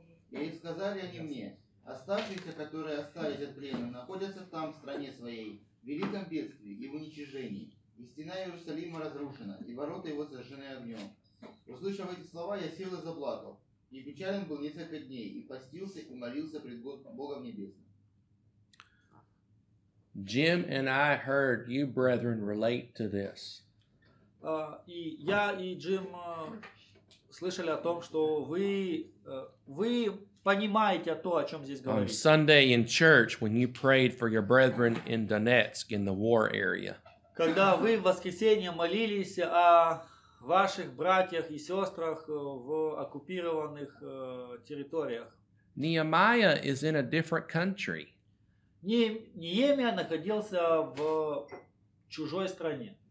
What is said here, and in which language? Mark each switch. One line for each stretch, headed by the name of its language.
Russian: И сказали они мне, оставшиеся, которые остались от плена, находятся там, в стране своей, в великом бедствии и в уничижении. И стена Иерусалима разрушена, и ворота его сожжены огнем. Услышав эти слова, я сел и заплакал, и печален был несколько дней, и постился, и молился пред Богом Небесным.
English: Jim and I heard you brethren relate to this.
Russian: И я и Джим слышали о том, что вы понимаете то, о чем здесь говорится.
English: On Sunday in church, when you prayed for your brethren in Donetsk in the war area.
Russian: Когда вы в воскресенье молились о ваших братьях и сестрах в оккупированных территориях.
English: Nehemiah is in a different country.
Russian: Ниемия находился в чужой стране.